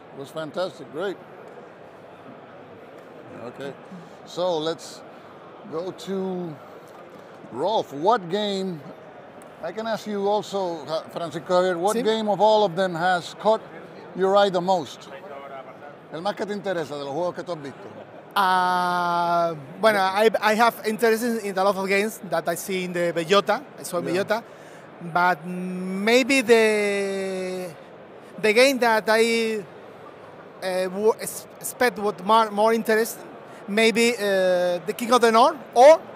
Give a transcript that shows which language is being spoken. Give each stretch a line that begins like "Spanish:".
English: It was fantastic, great. Okay, so let's go to Rolf. What game? I can ask you also, Francisco Javier, what game of all of them has caught your eye the most?
Spanish: El más que te interesa de los juegos que tú has visto.
English: Bueno, I have interest in a lot of games that I see in the Bellota, Bellota, but maybe the game that I expect with more interest, maybe the King of the North or...